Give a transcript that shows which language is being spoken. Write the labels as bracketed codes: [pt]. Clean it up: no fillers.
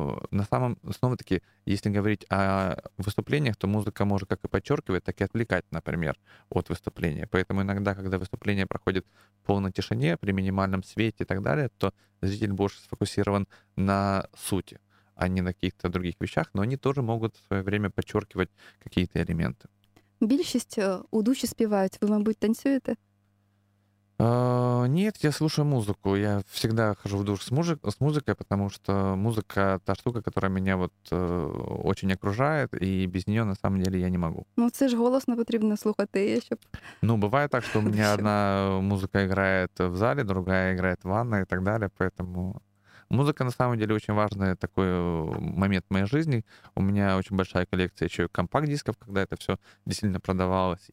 [ru] На самом, снова-таки, если говорить о выступлениях, то музыка может как и подчеркивать, так и отвлекать, например, от выступления. Поэтому иногда, когда выступление проходит в полной тишине, при минимальном свете и так далее, то зритель больше сфокусирован на сути, а не на каких-то других вещах, но они тоже могут в свое время подчеркивать какие-то элементы. [uk] Більшість у душі співають. Ви, мабуть, танцюєте? Ні, я слухаю музику. Я завжди хожу в душ з музикою, тому що музика — та штука, яка мене дуже окружає, і без неї, [ru] на самом деле, [uk] я не можу. Ну, це ж голосно потрібно слухати. Щоб... Ну, буває так, що у мене одна музика грає в залі, друга грає [ru] в ванной [uk] і так далі, [ru] поэтому... Музыка, на самом деле, очень важный такой момент в моей жизни. У меня очень большая коллекция еще и компакт-дисков, когда это все действительно продавалось.